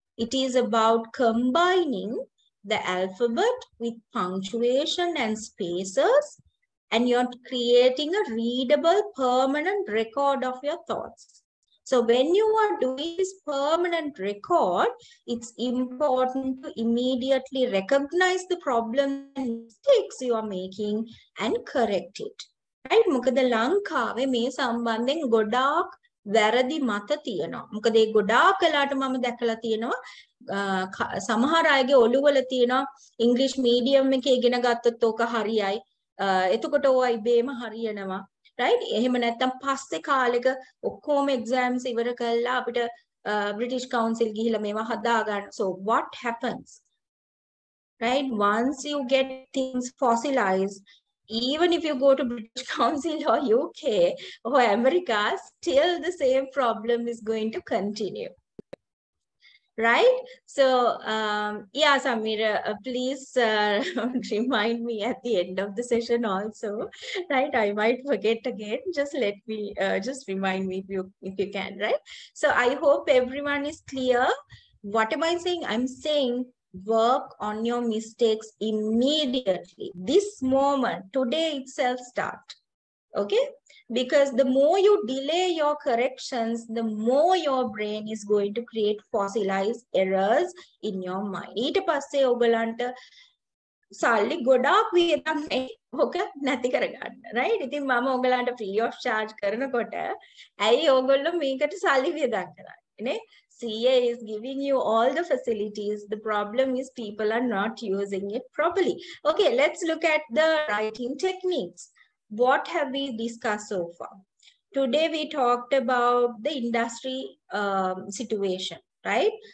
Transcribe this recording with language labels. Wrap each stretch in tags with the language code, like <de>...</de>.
<en>It is about combining the alphabet with punctuation and spaces, and you're creating a readable permanent record of your thoughts. So when you are doing this permanent record, it's important to immediately recognize the problem and mistakes you are making and correct it. Right?</en> <si>මොකද ලංකාවේ මේ සම්බන්ධයෙන් ගොඩාක් වැරදි මත තියෙනවා. මොකද ඒ ගොඩාක් වෙලාට මම දැකලා තියෙනවා සමහර අයගේ ඔළුවල තියෙනවා ඉංග්‍රීසි මීඩියම් එකේ ඉගෙන ගත්තොත් ඕක හරියයි. එතකොට ඕවා ඉබේම හරියනවා. Right? එහෙම නැත්තම් පස්සේ කාලෙක ඔක්කොම exams ඉවර කළා අපිට British Council ගිහිල්ලා මේවා හදාගන්න.</si> <en>So what happens? Right? Once you get things fossilized, even if you go to British Council or UK or America, still the same problem is going to continue. Right? So, yeah, Samira, please remind me at the end of the session also. Right? I might forget again. Just let me, just remind me if you can, right? So, I hope everyone is clear. What am I saying? I'm saying, work on your mistakes immediately. This moment, today itself, start. Okay? Because the more you delay your corrections, the more your brain is going to create fossilized errors in your mind.</en> <si>ඊට පස්සේ ඔබලන්ට සල්ලි ගොඩාක් වියදම් ඒක නැති කරගන්න. Right? ඉතින් මම ඔයගලන්ට</si> <en>free of charge</en> <si>කරනකොට ඇයි ඔයගොල්ලෝ මේකට සල්ලි වියදම් කරන්නේ? නේ?</si> <en>CA is giving you all the facilities. The problem is people are not using it properly. Okay, let's look at the writing techniques. What have we discussed so far? Today we talked about the industry situation, right?</en>